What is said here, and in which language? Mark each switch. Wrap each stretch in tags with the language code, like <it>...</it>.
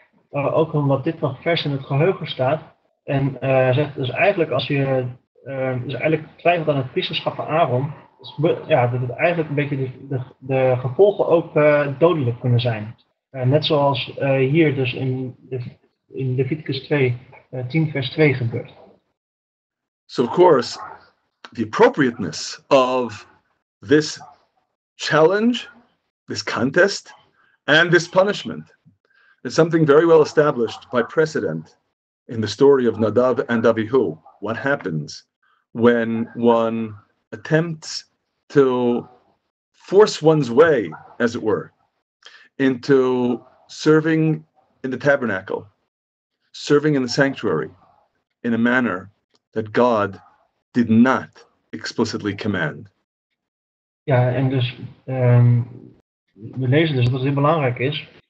<nl>Ook omdat dit nog vers in het geheugen staat. En zegt dus eigenlijk als je dus eigenlijk twijfelt aan het priesterschap van Aaron, dat het eigenlijk een beetje de gevolgen ook dodelijk kunnen zijn. Net zoals hier dus in Leviticus 10 vers 2 gebeurt.</nl> <en>So of course, the appropriateness of this challenge, this contest, and this punishment is something very well established by precedent in the story of Nadav and Abihu. What happens when one attempts to force one's way, as it were, into serving in the tabernacle, serving in the sanctuary, in a manner that God did not explicitly command.</en> <nl>Ja, en dus we lezen dus dat het heel belangrijk is.</nl>